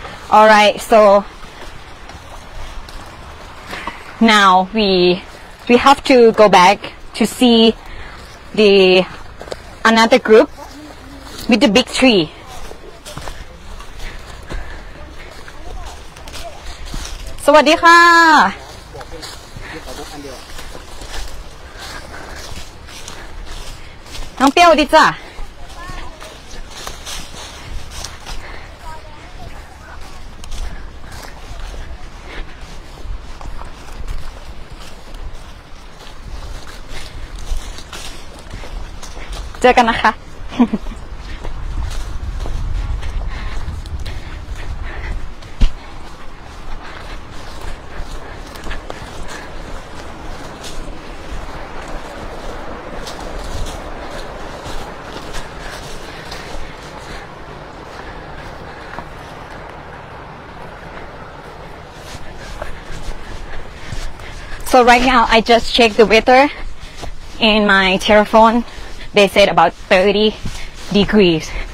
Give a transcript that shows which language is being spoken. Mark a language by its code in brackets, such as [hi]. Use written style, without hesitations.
[en] All right, so now we have to go back to see the another group with the big tree. [th] สวัสดีค่ะ น้องเปี้ยวดีจ้ะ เจอกันนะคะ [en] So right now, I just checked the weather in my telephone. They said about 30 degrees.